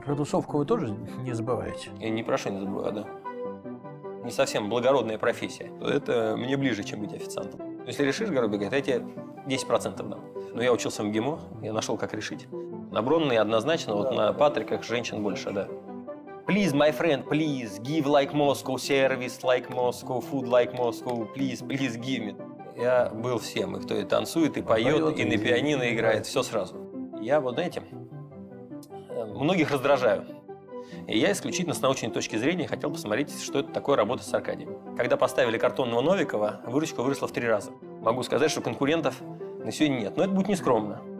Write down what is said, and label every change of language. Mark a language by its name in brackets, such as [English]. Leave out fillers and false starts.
[Russian] Про тусовку вы тоже не забываете? Я ни про что не забываю, да. Не совсем благородная профессия. Это мне ближе, чем быть официантом. Но если решишь, Горобик, я тебе 10% дам. Но я учился в МГИМО, я нашел, как решить. На Бронной однозначно, вот да, на Патриках женщин больше, да. [English] Please, my friend, please, give like Moscow, service like Moscow, food like Moscow, please, please give me. [Russian] Я был всем, и кто и танцует, и поет, и на пианино играет, все сразу. Я вот, знаете, многих раздражаю. И я исключительно с научной точки зрения хотел посмотреть, что это такое работа с Аркадием. Когда поставили картонного Новикова, выручка выросла в 3 раза. Могу сказать, что конкурентов на сегодня нет, но это будет нескромно.